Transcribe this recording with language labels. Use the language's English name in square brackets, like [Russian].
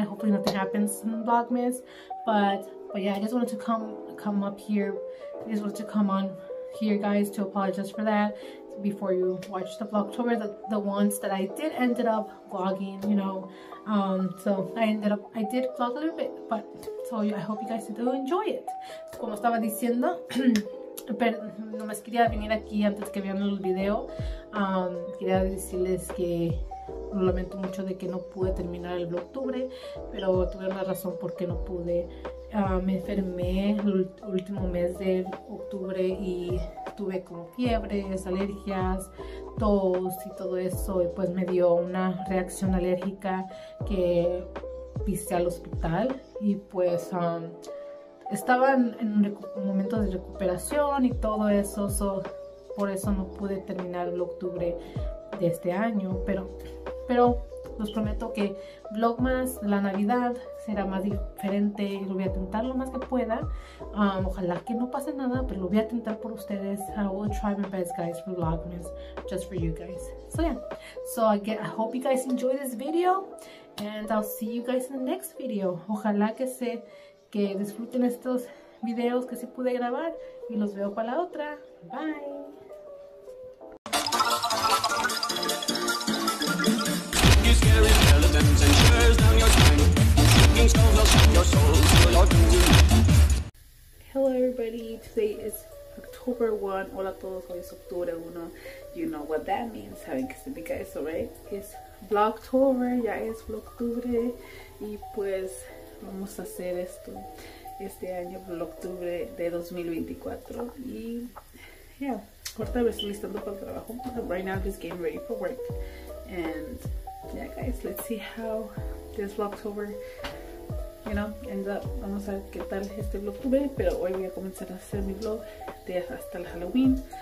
[English] Hopefully nothing happens in Vlogmas. But yeah, I just wanted to come up here. I just wanted to come on here, guys, to apologize for that. Before you watch the Vlogtober, the ones that I did ended up vlogging, you know. So I did vlog a little bit. But so I hope you guys do enjoy it. [Spanish] Como estaba diciendo, no más quería venir aquí antes que vean el video. Quería decirles que lamento mucho de que no pude terminar el Vlogtober, pero tuve una razón por qué no pude. Me enfermé el último mes de octubre y tuve como fiebres, alergias, tos y todo eso, y pues me dio una reacción alérgica que pisé al hospital, y pues estaba en un momento de recuperación y todo eso, so por eso no pude terminar el Vlogtober de este año, pero les prometo que Vlogmas, la Navidad, será más diferente. Lo voy a intentar lo más que pueda. Ojalá que no pase nada, pero lo voy a intentar por ustedes. [English] I will try my best, guys, for Vlogmas, just for you guys. So yeah, so I hope you guys enjoy this video, and I'll see you guys in the next video. [Spanish] Ojalá que disfruten estos videos que sí pude grabar, y los veo para la otra. [English] Bye. Hello everybody, today is October 1. [Spanish] Hola a todos, hoy es octubre 1. [English] You know what that means, [Spanish] saben que significa eso, [English] right? It's Vlogtober, [Spanish] ya es Vlogtubre. Y pues vamos a hacer esto este año, Vlogtubre de 2024. Y yeah, ahorita me estoy listando para el trabajo. [English] Right now I'm just getting ready for work. And yeah, guys, let's see how this Vlogtober, you know, ends up. [Spanish] Vamos a ver qué tal este Vlogtober, pero hoy voy a comenzar a hacer mi vlog de hasta el Halloween.